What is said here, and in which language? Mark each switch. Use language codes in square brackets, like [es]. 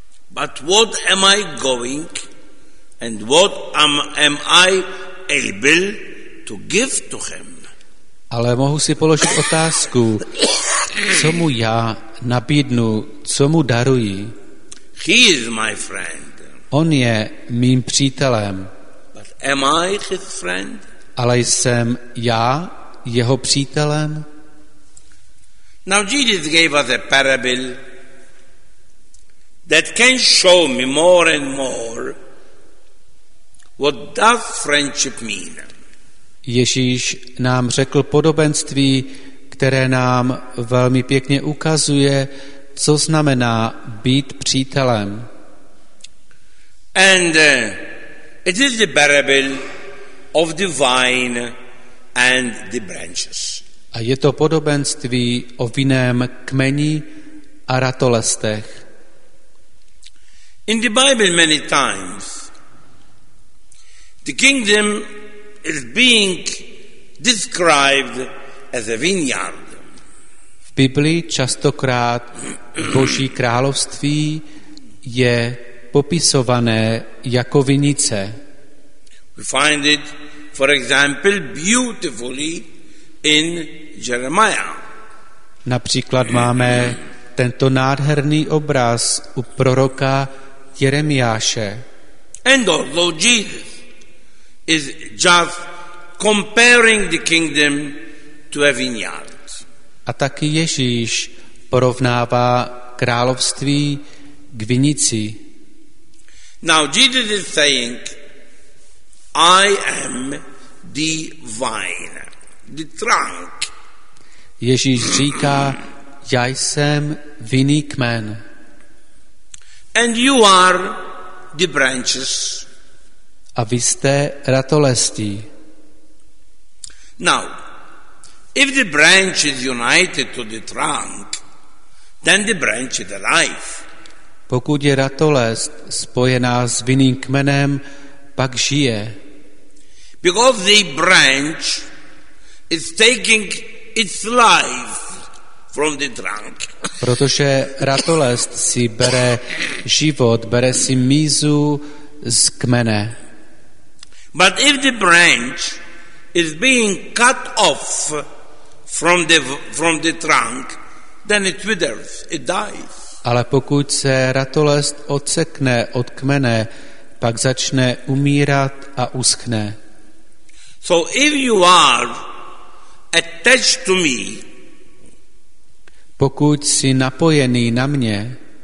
[en] But what am I going and what am I able to give to him? [cs] Ale mohu si položit otázku, co mu já nabídnu, co mu daruji? [en] He is my friend. [cs] On je mým přítelem. [en] But am I his friend? [cs] Ale jsem já jeho přítelem? [en] Now Jesus gave us a parable that can show me more and more what does friendship mean. [cs] Ježíš nám řekl podobenství, které nám velmi pěkně ukazuje, co znamená být přítelem. [en] And it is the parable of the vine and the branches. [cs] A je to podobenství o vinném kmeni a ratolestech. [en] In the Bible many times the kingdom is being described as a vineyard. [cs] V Biblii častokrát Boží království je popisované jako vinice. [en] We find it, for example, beautifully in Jeremiah. [cs] Například máme tento nádherný obraz u proroka Jeremiáše. [en] And also Jesus is just comparing the kingdom to a vineyard. [cs] A taky Ježíš porovnává království k vinici. [en] Now Jesus is saying, I am the vine, the trunk. [cs] Ježíš říká, já jsem vinný kmen. [en] And you are the branches. [cs] A vy jste ratolestí. [en] Now, if the branch is united to the trunk, then the branch is alive. [cs] Pokud je ratolest spojená s vinným kmenem, pak žije. [en] Because the branch is taking its life from the trunk. [cs] Protože ratolest si bere život, bere si mízu z kmene. [en] But if the branch is being cut off from the trunk, then it withers, it dies. [cs] Ale pokud se ratolest odsekne od kmene, pak začne umírat a uschne. [en] So if you are attached to me, [cs] pokud jsi napojený na mě,